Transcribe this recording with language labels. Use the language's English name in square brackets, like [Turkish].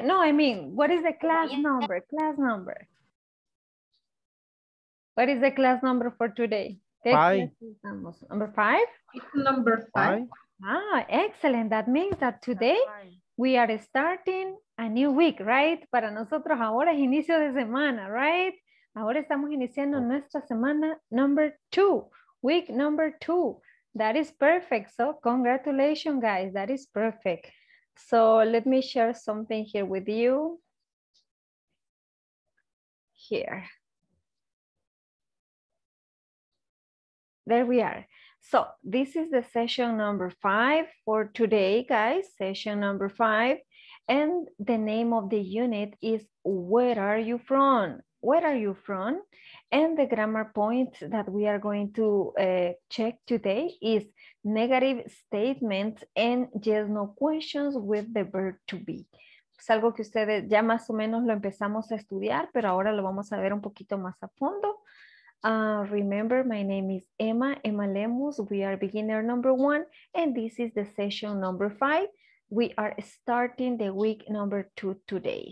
[English] No, I mean, what is the class number? Class number. What is the class number for today? Number five. Ah, excellent. That means that today we are starting a new week, right? [Spanish] Para nosotros ahora es inicio de semana, right? Ahora estamos iniciando nuestra semana [English] number two, week number two. That is perfect. So congratulations, guys. That is perfect. So let me share something here with you. Here. There we are. So this is the session number five for today, guys. Session number five. And the name of the unit is Where Are You From? Where are you from? And the grammar points that we are going to check today is negative statements and yes, no questions with the verb to be. [Spanish] Es algo que ustedes ya más o menos lo empezamos a estudiar, pero ahora lo vamos a ver un poquito más a fondo. [English] Remember, my name is Emma Lemus. We are beginner number one, and this is the session number five. We are starting the week number two today.